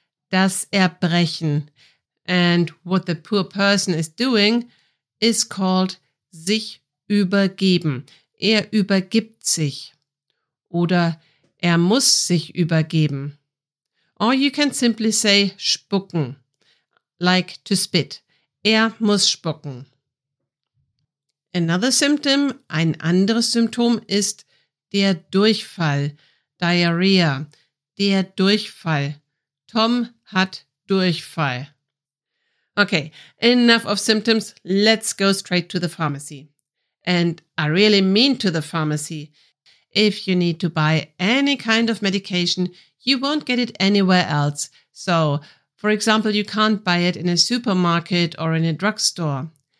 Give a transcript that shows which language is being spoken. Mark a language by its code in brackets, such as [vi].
[de] Das Erbrechen. [en] And what the poor person is doing is called sich übergeben. [de] Er übergibt sich. Oder er muss sich übergeben. [en] Or you can simply say spucken, like to spit. [de] Er muss spucken. [en] Another symptom, [de] ein anderes Symptom ist der Durchfall, Diarrhea, der Durchfall. Tom hat Durchfall. [en] Okay, enough of symptoms, let's go straight to the pharmacy. And I really mean to the pharmacy. If you need to buy any kind of medication, you won't get it anywhere else. So, for example, you can't buy it in a supermarket or in a drugstore.